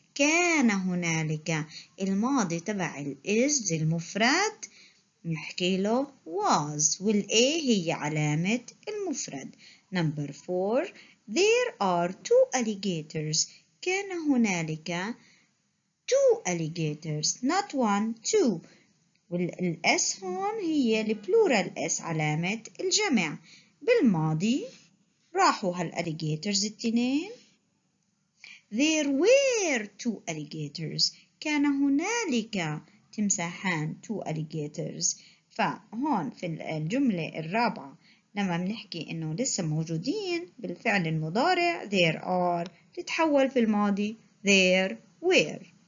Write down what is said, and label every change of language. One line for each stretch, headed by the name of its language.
Arabic: كان هنالك. الماضي تبع ال is المفرد نحكي له was، وال a هي علامة المفرد.
English: Number four. There are two alligators.
Arabic: كان هنالك
English: two alligators not one two.
Arabic: وال s هون هي البلورال s علامة الجمع. بالماضي راحوا هالاليجيتورز التنين.
English: There were two alligators.
Arabic: كان هنالك تمساحان
English: two alligators.
Arabic: فهون في الجملة الرابعة لما بنحكي انه لسه موجودين بالفعل المضارع
English: there are
Arabic: تتحول في الماضي
English: there were.